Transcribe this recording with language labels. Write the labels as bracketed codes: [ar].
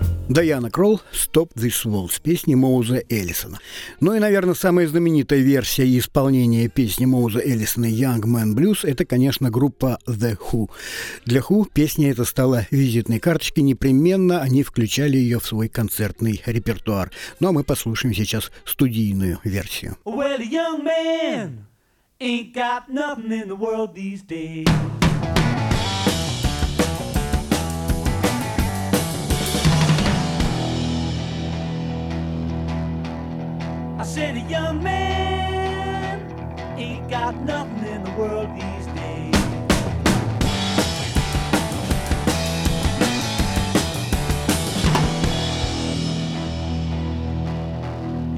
[ru] Diana Krall, Stop This Waltz, песни Моуза Эллисона. Ну и, наверное, самая знаменитая версия исполнения песни Моуза Эллисона Young Man Blues – это, конечно, группа The Who. Для Who песня эта стала визитной карточкой, непременно они включали ее в свой концертный репертуар. Ну а мы послушаем сейчас студийную версию. [en] Well, young man ain't got nothing in the world these days. I said a young man ain't got nothing in the world these days.